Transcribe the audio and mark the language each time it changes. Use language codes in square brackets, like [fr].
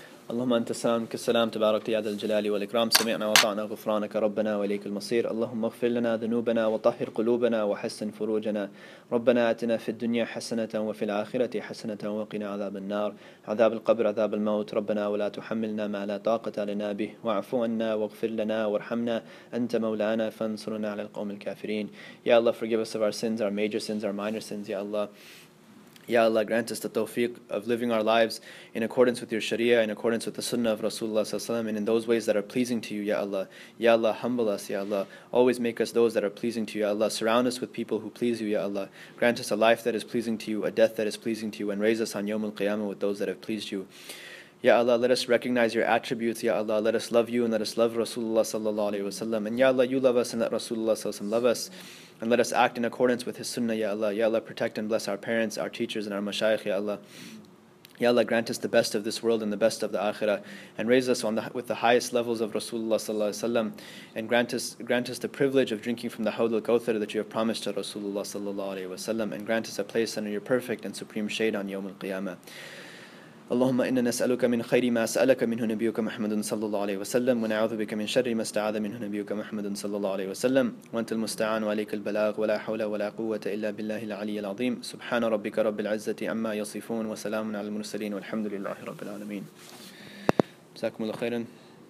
[ar] اللهم أنت السلام كالسلام تبارك يا ذا الجلال والإكرام سمعنا وطعنا غفرانك ربنا وإليك المصير اللهم اغفر لنا ذنوبنا وطهر قلوبنا وحسن فروجنا ربنا آتنا في الدنيا حسنة وفي الآخرة حسنة وقنا عذاب النار عذاب القبر عذاب الموت ربنا ولا تحملنا ما لا طاقة لنا به واعفو عنا واغفر لنا وارحمنا أنت مولانا فانصرنا على القوم الكافرين يا الله [en] forgive us of our sins, our major sins, our minor sins, [ar] يا الله [en] Ya Allah, grant us the tawfiq of living our lives in accordance with your sharia, in accordance with the sunnah of Rasulullah, and in those ways that are pleasing to you, Ya Allah. Ya Allah, humble us, Ya Allah. Always make us those that are pleasing to you, Ya Allah. Surround us with people who please you, Ya Allah. Grant us a life that is pleasing to you, a death that is pleasing to you, and raise us on Yawm al-Qiyamah with those that have pleased you. Ya Allah, let us recognize your attributes, Ya Allah. Let us love you and let us love Rasulullah sallallahu alayhi wa sallam. And Ya Allah, you love us and let Rasulullah sallallahu love us. And let us act in accordance with his sunnah, Ya Allah. Ya Allah, protect and bless our parents, our teachers, and our mashayikh, Ya Allah. Ya Allah, grant us the best of this world and the best of the akhirah. And raise us with the highest levels of Rasulullah sallallahu alayhi wa sallam. And grant us the privilege of drinking from the Hawd al-Kawthar that you have promised to Rasulullah sallallahu alayhi wa sallam. And grant us a place under your perfect and supreme shade on Yawm al-Qiyamah. [ar] اللهم إنا نسألك من خير ما سألك منه نبيك محمد صلى الله عليه وسلم ونعوذ بك من شر ما استعاذ منه نبيك محمد صلى الله عليه وسلم وأنت المستعان وعليك البلاغ ولا حول ولا قوة إلا بالله العلي العظيم سبحان ربك رب العزة عما يصفون وسلام على المرسلين والحمد لله رب العالمين. جزاكم الله خيرا.